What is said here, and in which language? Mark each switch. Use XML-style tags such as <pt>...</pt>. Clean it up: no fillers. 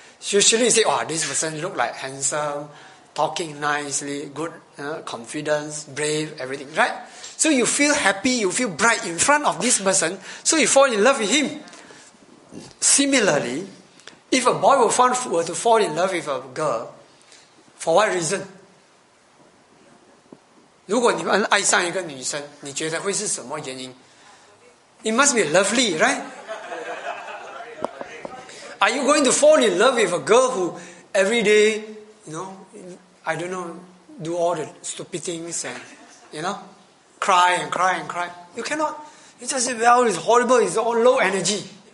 <en>Usually you say, this person look like handsome, talking nicely, good, confidence, brave, everything, right? So you feel happy, you feel bright in front of this person, so you fall in love with him. Similarly, if a boy were to fall in love with a girl, for what reason?</en> <zh>如果你们爱上一个女生，你觉得会是什么原因？</zh> <en>It must be lovely, right? Are you going to fall in love with a girl who every day, do all the stupid things and, cry and cry and cry? You cannot. You just say, it's horrible, it's all low energy.</en>